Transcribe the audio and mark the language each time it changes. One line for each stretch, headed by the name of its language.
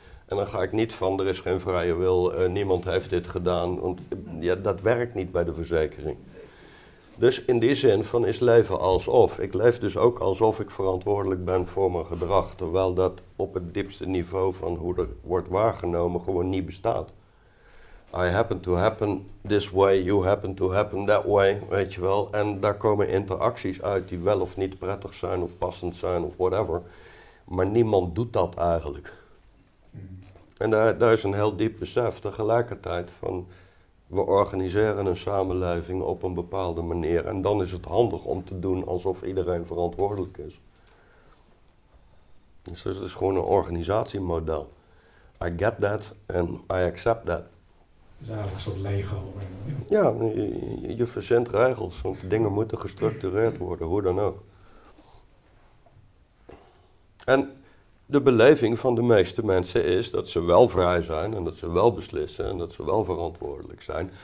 Dutch: En dan ga ik niet van, er is geen vrije wil, niemand heeft dit gedaan, want ja, dat werkt niet bij de verzekering. Dus in die zin van is leven alsof. Ik leef dus ook alsof ik verantwoordelijk ben voor mijn gedrag, terwijl dat op het diepste niveau van hoe er wordt waargenomen gewoon niet bestaat.
English: I happen to happen this way, you happen to happen that way,
Dutch: weet je wel. En daar komen interacties uit die wel of niet prettig zijn of passend zijn of whatever. Maar niemand doet dat eigenlijk. En daar is een heel diep besef tegelijkertijd van, we organiseren een samenleving op een bepaalde manier en dan is het handig om te doen alsof iedereen verantwoordelijk is. Dus het is gewoon een organisatiemodel.
English: I get that and I accept that.
Dutch: Dus eigenlijk een soort Lego. Ja, je verzint regels, want dingen moeten gestructureerd worden, hoe dan ook. En de beleving van de meeste mensen is dat ze wel vrij zijn en dat ze wel beslissen en dat ze wel verantwoordelijk zijn.